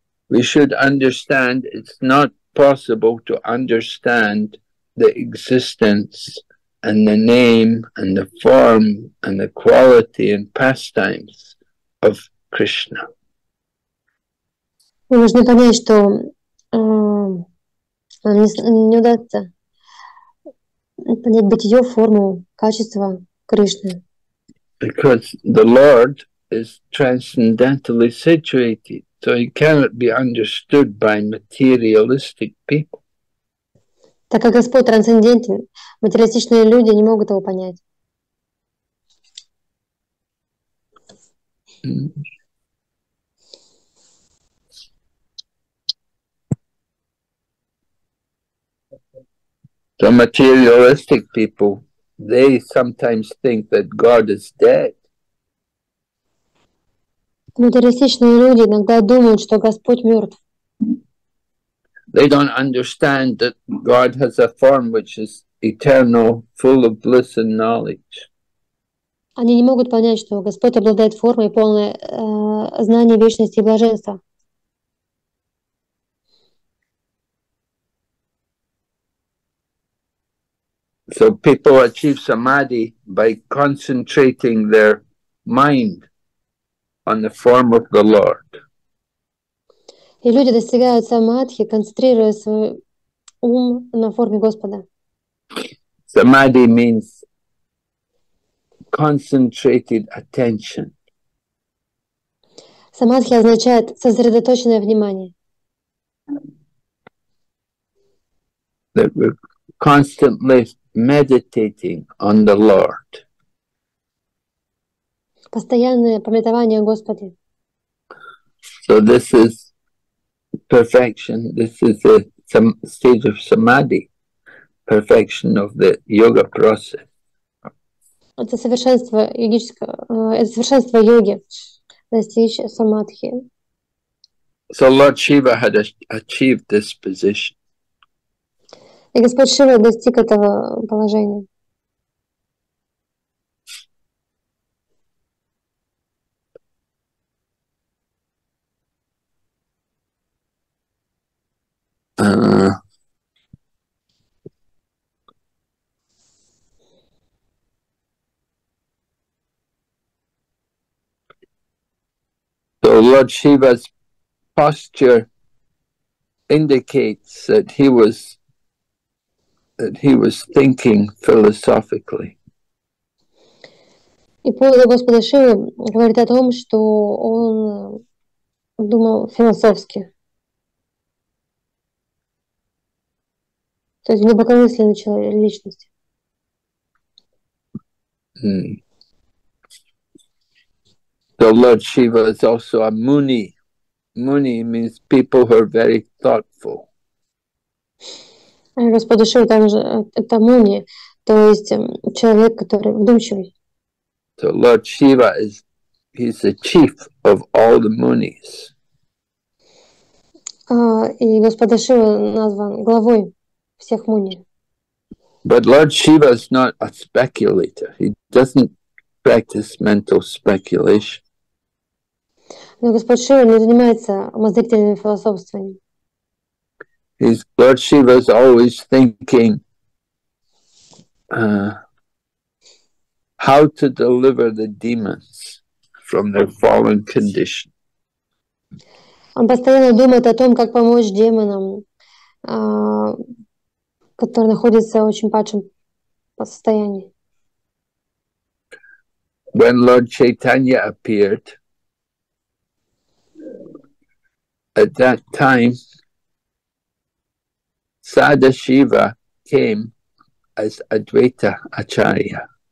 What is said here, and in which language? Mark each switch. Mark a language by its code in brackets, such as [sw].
[en] We should understand it's not possible to understand the existence and the name and the form and the quality and pastimes of Krishna. [ru] Мы должны понять, что не удастся понять бытие, форму, качество Кришны. [en] Because the Lord is transcendentally situated, so he cannot be understood by materialistic people. [ru] Так как Господь трансцендентен, материалистичные люди не могут его понять. [en] So materialistic people, they sometimes think that God is dead. [ru] Материалистичные люди иногда думают, что Господь мертв. [en] They don't understand that God has a form which is eternal, full of bliss and knowledge. [ru] Они не могут понять, что Господь обладает формой, полной знания, вечности и блаженства. [en] So people achieve samadhi by concentrating their mind on the form of the Lord. [ru] И люди достигают самадхи, концентрируя свой ум на форме Господа. [en] Samadhi means concentrated attention. [ru] Самадхи означает сосредоточенное внимание. [en] That we're constantly meditating on the Lord. [ru] Постоянное памятование о Господе. [en] So this is perfection, this is the stage of samadhi, perfection of the yoga process. [ru] Это совершенство йоги, достичь самадхи. [en] So Lord Shiva had achieved this position. [ru] И Господь Шива достиг этого положения. [en] So Lord Shiva's posture indicates that he was thinking philosophically. [ru] И поза Господа Шивы говорит о том, что он думал философски. То есть глубокомысленный человек, личность. [en] So Lord Shiva is also a Muni. Muni means people who are very thoughtful. [ru] Господь Шива также это муни, то есть человек, который вдумчивый. [en] So Lord Shiva he's the chief of all the munis. [ru] И Господь Шива назван главой всех муни. [en] But Lord Shiva is not a speculator. He doesn't practice mental speculation. [ru] Но Господь Шива не занимается умозрительными философствами. [en] Lord Shiva is always thinking how to deliver the demons from their fallen condition. [ru] Он постоянно думает о том, как помочь демонам, которые находятся в очень падшем состоянии. [en] When Lord Chaitanya appeared, at that time, Sada Shiva came as Advaita Acharya.